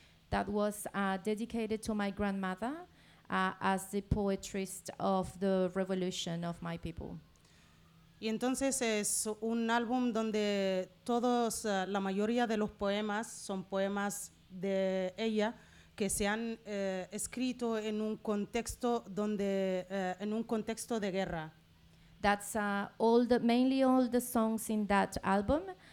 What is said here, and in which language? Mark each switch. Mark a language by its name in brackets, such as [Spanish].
[English] That was dedicated to my grandmother as the poetrist of the revolution of my people. [Spanish] Y entonces es un álbum donde todos, la mayoría de los poemas son poemas de ella que se han escrito en un contexto donde en un contexto de guerra. [English] That's mainly all the songs in that album.